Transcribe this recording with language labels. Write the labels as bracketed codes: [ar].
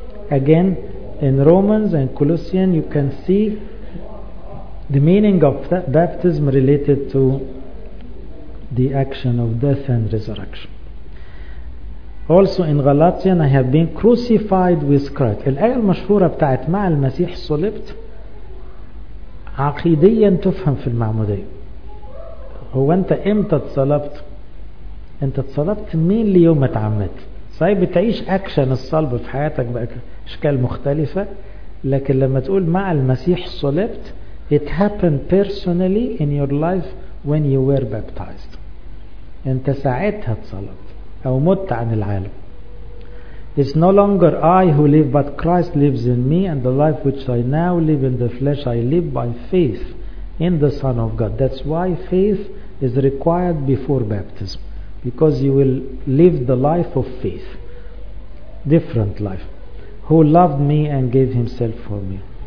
[en] Again in Romans and Colossians you can see the meaning of that baptism related to the action of death and resurrection. Also in Galatians, I have been crucified with Christ. [ar] الآية المشهورة بتاعت مع المسيح صلبت عقيديا تفهم في المعمودية. هو انت امتى اتصلبت؟ انت اتصلبت مين ليوم ما اتعمدت؟ صحيح بتعيش اكشن الصلب في حياتك بقى اشكال مختلفة، لكن لما تقول مع المسيح صلبت، [en] it happened personally in your life when you were baptized. [ar] انت ساعتها اتصلبت او مت عن العالم. [en] It's no longer I who live but Christ lives in me, and the life which I now live in the flesh I live by faith in the Son of God. That's why faith is required before baptism, because you will live the life of faith, different life, who loved me and gave himself for me.